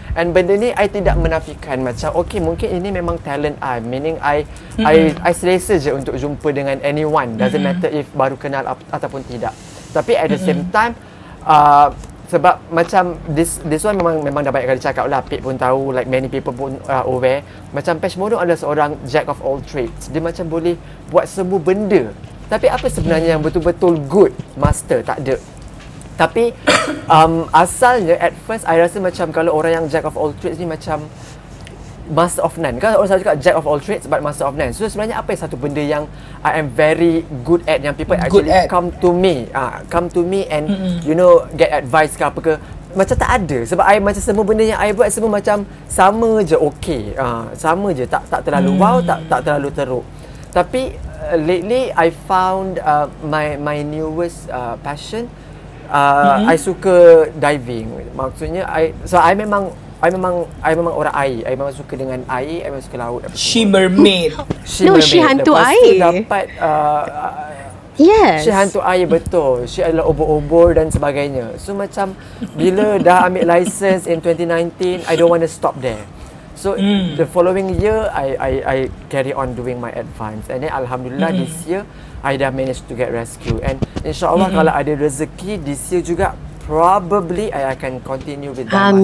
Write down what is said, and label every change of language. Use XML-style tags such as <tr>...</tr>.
<ms>And benda ni I tidak menafikan, macam okay, mungkin ini memang talent I, meaning I selesa je untuk jumpa dengan anyone,</ms> <en>doesn't matter if</en> <ms>baru kenal ataupun tidak. Tapi</ms> <en>at the same time,</en> <ms>sebab macam this one memang dah banyak kali cakap lah. Pete pun tahu,</ms> <en>like many people</en> <ms>pun aware. Macam Patch Mono adalah seorang jack of all trades. Dia macam boleh buat semua benda. Tapi apa sebenarnya yang betul-betul good master? Tak ada. Tapi asalnya at first I rasa macam kalau orang yang</ms> <en>jack of all trades</en> <ms>ni macam</ms> <en>master of none.</en> <ms>Kalau orang selalu cakap</ms> <en>jack of all trades but master of none.</en> <ms>So sebenarnya apa satu benda yang</ms> <en>I am very good at,</en> <ms>yang</ms> <en>people actually come to me, come to me and you know, get advice</en> <ms>ke apa ke? Macam tak ada. Sebab I macam semua benda yang I buat semua macam sama je okay. Sama je, tak terlalu wow, tak terlalu teruk. Tapi lately</ms> <en>I found my newest passion.</en> <ms>I suka diving. Maksudnya I memang orang air. I memang suka dengan air. I memang suka laut.</ms> <en>She mermaid.</en> <ms>She hantu air. Dapat</ms> <en>yes.</en> <ms>She hantu air, betul. She adalah obor-obor dan sebagainya. So macam bila dah ambil license in 2019,</ms> <en>I don't want to stop there. So the following year I carry on doing my advance. And then alhamdulillah this year I dah manage to get rescue.</en> <ms>And insyaAllah kalau ada rezeki this year juga,</ms> <en>probably I akan continue with that.</en>